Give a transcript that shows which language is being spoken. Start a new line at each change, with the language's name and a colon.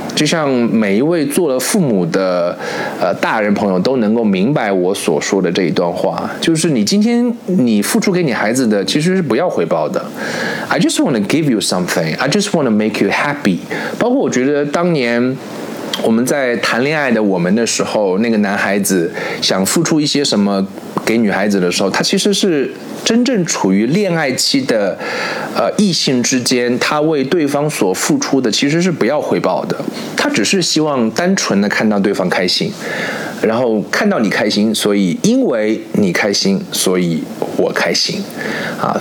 Chinese: 就像每一位做了父母的大人朋友都能够明白我所说的这一段话，就是你今天你付出给你孩子的其实是不要回报的。
English: I just want to give you something, I just want to make you happy。
Chinese: 包括我觉得当年我们在谈恋爱的我们的时候，那个男孩子想付出一些什么给女孩子的时候，他其实是真正处于恋爱期的异性之间，他为对方所付出的其实是不要回报的，他只是希望单纯的看到对方开心，然后看到你开心，所以因为你开心所以我开心啊。